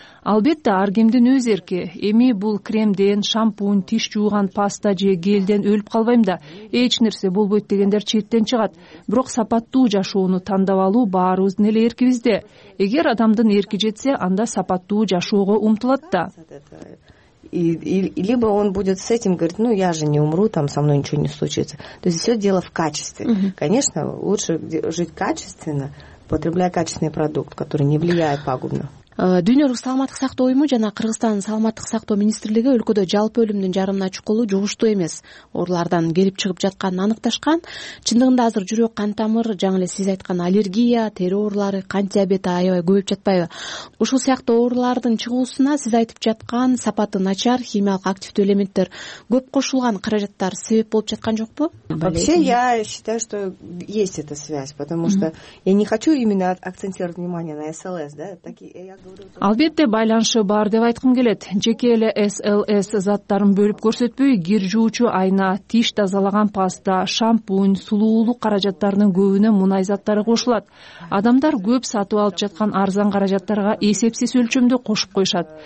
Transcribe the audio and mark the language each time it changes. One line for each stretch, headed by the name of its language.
Kyrgyz: Албетте, ар кимдин өз эрки. Эми бул кремден, шампунь, тиш жууган паста же гелден өлүп калбайм да, эч нерсе болбойт дегендер четтен чыгат. Бирок сапаттуу жашоону тандап алуу баарыбыздын эле эркибизде. Эгер адамдын эрки жетсе, анда сапаттуу жашоого умтулат да.
Russian: И либо он будет с этим говорить, ну я же не умру, там со мной ничего не случится. То есть все дело в качестве. Конечно, лучше жить качественно, потребляя качественный продукт, который не влияет пагубно.
Kyrgyz: Дүйнөлүк саламаттык сактоо уюму жана Кыргызстандын саламаттык сактоо министрлиги өлкөдө жалпы өлүмдүн жарымына чукулу жугуштуу эмес оорулардан келип чыгып жатканын аныкташкан. Чындыгында азыр жүрөк кан тамыр, жаңы эле сиз айткан аллергия, тери оорулары, кант диабети аябай көбөйүп жатпайбы? Ушул сыяктуу оорулардын чыгуусуна сиз айтып жаткан сапаты начар химиялык активдүү элементтер көп кошулган каражаттар себеп болуп жаткан жокпу?
Russian: Вообще я считаю, что есть эта связь, потому что я не хочу именно акцентировать внимание на СЛС, да?
Kyrgyz: Албетте байланышы бар деп айткым келет. Жеке эле SLS заттарын бөлүп көрсөтпөй, кир жуучу айна, тиш тазалаган паста, шампунь, сулуулук каражаттарынын көбүнө мунай заттары кошулат. Адамдар көп сатып алып жаткан арзан каражаттарга эсепсиз өлчөмдө кошуп коюшат.